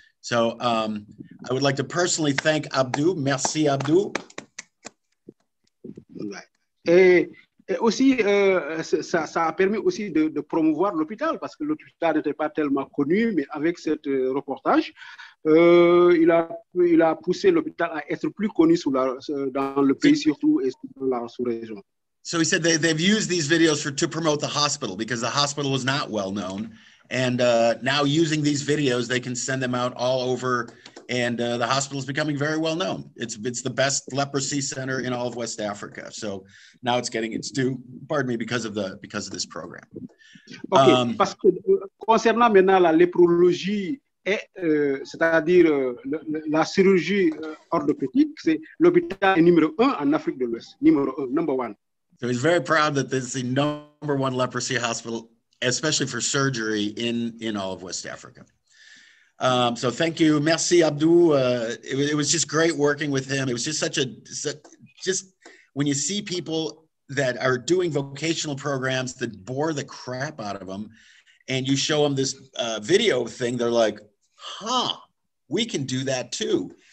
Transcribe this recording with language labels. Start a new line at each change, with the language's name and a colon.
English: So I would like to personally thank Abdou.
French: Merci, Abdou. Et aussi, ça a permis aussi de promouvoir l'hôpital, parce que l'hôpital n'était pas tellement connu, mais avec ce reportage, il a poussé l'hôpital à être plus connu dans le pays surtout et dans la sous-région.
English: So he said they've used these videos to promote the hospital, because the hospital was not well known. And now using these videos, they can send them out all over, and the hospital is becoming very well known. It's the best leprosy center in all of West Africa. So now it's getting its due, pardon me, because of this program.
French: Okay, parce que concernant maintenant la léprologie, c'est-à-dire la chirurgie orthopédique, c'est l'hôpital numéro un en Afrique de l'Ouest,
English: number one. So he's very proud that this is the number one leprosy hospital, especially for surgery in all of West Africa. So thank you.
French: Merci, Abdou.
English: It was just great working with him. It was just just when you see people that are doing vocational programs that bore the crap out of them, and you show them this video thing, they're like, huh, we can do that too.